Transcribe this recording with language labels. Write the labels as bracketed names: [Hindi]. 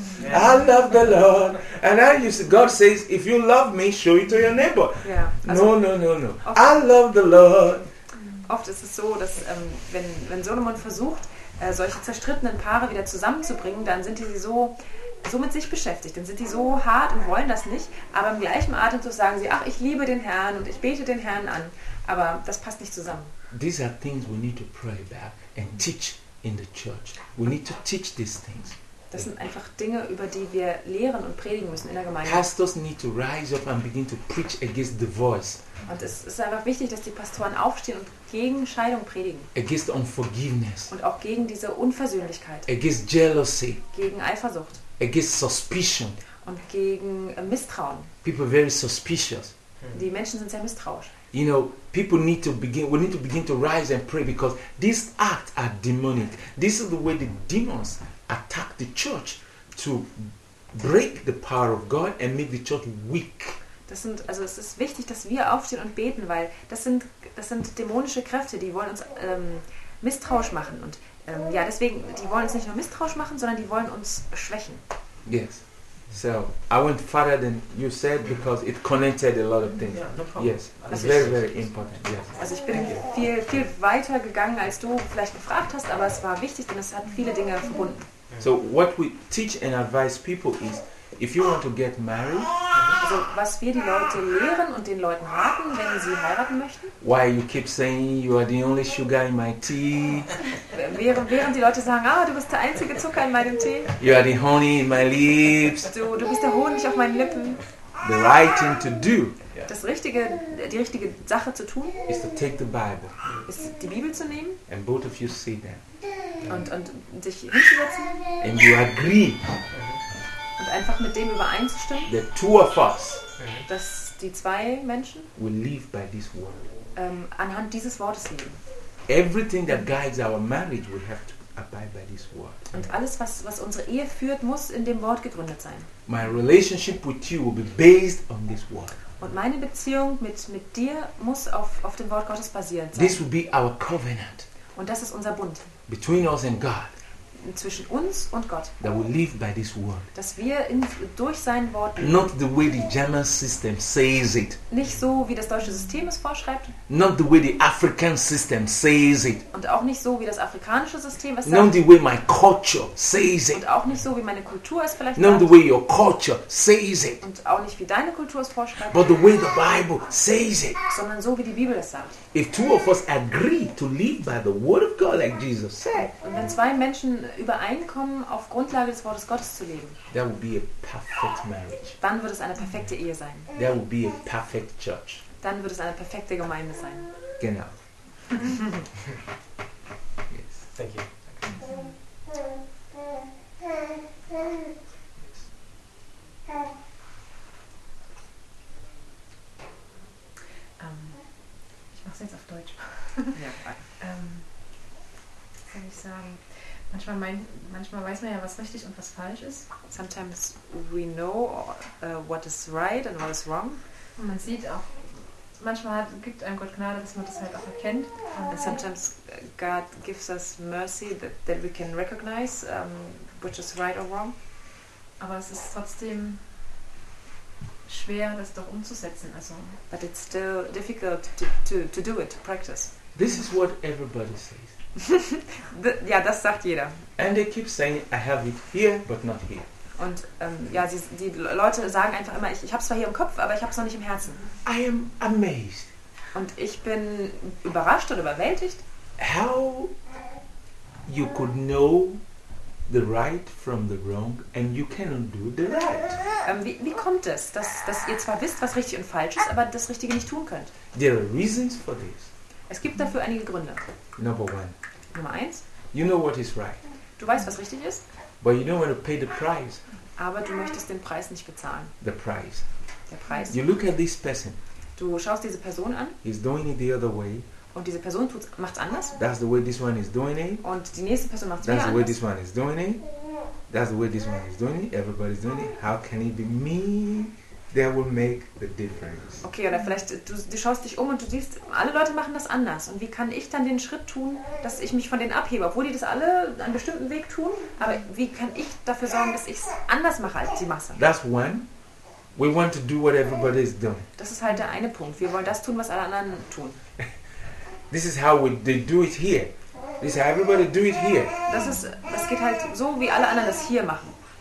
[English] Yeah. I love the Lord. And God says, if you love me, show it to your neighbor. Yeah. No, no, no, no. Oft, I love the Lord. [German] Oft ist es so, dass wenn Solomon versucht, solche zerstrittenen Paare wieder zusammenzubringen, dann sind die so mit sich beschäftigt, dann sind die so hart und wollen das nicht, aber im gleichen Atemzug sagen sie, ach, ich liebe den Herrn und ich bete den Herrn an, aber das passt nicht zusammen. [English] These are things we need to pray about and teach in the church. We need to teach these things. [German] Das sind einfach Dinge, über die wir lehren und predigen müssen in der Gemeinde. [English] Pastors need to rise up and begin to preach against divorce. [German] Und es ist einfach wichtig, dass die Pastoren aufstehen und gegen Scheidung predigen. [English] Against unforgiveness. [German] Und auch gegen diese Unversöhnlichkeit. [English] Against jealousy. [German] Gegen Eifersucht. [English] Against suspicion. [German] Und gegen Misstrauen. [English] People are very suspicious. [German] Die Menschen sind sehr misstrauisch. [English] You know, people need to begin. We need to begin to rise and pray because these acts are demonic. This is the way the demons attack the church to break the power of God and make the church weak. [German] Es ist wichtig, dass wir aufstehen und beten, weil das sind dämonische Kräfte, die wollen uns misstrauisch machen und ja, deswegen, die wollen uns nicht nur misstrauisch machen, sondern die wollen uns schwächen. [English] Yes. So, I went further than you said because it connected a lot of things. Yeah, no problem. Yes, it's very, very important. Yes. [German] Also ich bin viel, viel weiter gegangen, als du vielleicht gefragt hast, aber es war wichtig, denn es hat viele Dinge verbunden. [English] So, what we teach and advise people is, if you want to get married, [German] also was wir die Leute lehren und den Leuten raten, wenn sie heiraten möchten. [English] Why you keep saying you are the only sugar in my tea? [German] Während die Leute sagen, du bist der einzige Zucker in meinem Tee. [English] You are the honey in my lips. [German] Du bist der Honig auf meinen Lippen. [English] The right thing to do. [German] Die richtige Sache zu tun. [English] Is to take the Bible. [German] Ist die Bibel zu nehmen. [English] And both of you see them. [German] Und sich hinzusetzen. [English] And you agree. [German] Und einfach mit dem übereinzustimmen, [English] the two of us, [German] dass die zwei Menschen [English] will live by this word. [German] Anhand dieses Wortes leben. [English] Everything that guides our marriage, we have to abide by this word. [German] Und alles, was unsere Ehe führt, muss in dem Wort gegründet sein. [English] My relationship with you will be based on this word. [German] Und meine Beziehung mit dir muss auf dem Wort Gottes basieren sein. [English] This will be our covenant. [German] Und das ist unser Bund. [English] Between us and God. [German] Zwischen uns und Gott. [English] That we live by this word. [German] Dass wir durch sein Wort leben. [English] Not the way the German system says it. [German] Nicht so, wie das deutsche System es vorschreibt. [English] Not the way the African system says it. [German] Und auch nicht so, wie das afrikanische System es sagt. [English] Not the way my culture says it. [German] Und auch nicht so, wie meine Kultur es vielleicht [English] Not Not the way your culture says it. [German] Und auch nicht, wie deine Kultur es vorschreibt. [English] But the way the Bible says it. [German] Sondern so, wie die Bibel es sagt. [English] If two of us agree to live by the word of God like Jesus said. [German] Und wenn zwei Menschen übereinkommen, auf Grundlage des Wortes Gottes zu leben, [English] that would be a perfect marriage. [German] Dann wird es eine perfekte Ehe sein. [English] That would be a perfect church. [German] Dann wird es eine perfekte Gemeinde sein. Genau. [English] Yes. Thank you. [German] Ich mache es jetzt auf Deutsch. Ja, kann ich sagen, Manchmal weiß man ja, was richtig und was falsch ist. [English] Sometimes we know what is right and what is wrong. [German] Und man sieht auch, manchmal gibt einem Gott Gnade, dass man das halt auch erkennt. [English] And sometimes God gives us mercy that we can recognize which is right or wrong. [German] Aber es ist trotzdem schwer, das doch umzusetzen. Also. [English] But it's still difficult to do it, to practice. This is what everybody says. [German] Ja, das sagt jeder. [English] And they keep saying, I have it here, but not here. [German] Und ja, die Leute sagen einfach immer, ich habe es zwar hier im Kopf, aber ich habe es noch nicht im Herzen. [English] I am amazed. [German] Und ich bin überrascht oder überwältigt. [English] How you could know the right from the wrong and you cannot do the right. [German] Wie kommt es, dass ihr zwar wisst, was richtig und falsch ist, aber das Richtige nicht tun könnt? [English] There are reasons for this. [German] Es gibt dafür einige Gründe. [English] Number one. [German] Nummer eins. [English] You know what is right. [German] Du weißt, was richtig ist. [English] But you don't want to pay the price. [German] Aber du möchtest den Preis nicht bezahlen. [English] The price. [German] Der Preis. [English] You look at this person. [German] Du schaust diese Person an. [English] He's doing it the other way. [German] Und diese Person macht es anders. [English] That's the way this one is doing it. [German] Und die nächste Person macht es wieder anders. [English] That's the way this one is doing it. That's the way this one is doing it. Everybody's doing it. How can it be me? That will make the difference. [German] Okay, oder vielleicht du schaust dich um und du siehst, alle Leute machen das anders. Und wie kann ich dann den Schritt tun, dass ich mich von denen abhebe, obwohl die das alle einen bestimmten Weg tun? Aber wie kann ich dafür sorgen, dass ich es anders mache als die Masse? [English] That's one. We want to do what everybody is doing. [German] Das ist halt der eine Punkt. Wir wollen das tun, was alle anderen tun. [English] This is how they do it here. This is how everybody do it here. [German] Das geht halt so, wie alle anderen das hier machen.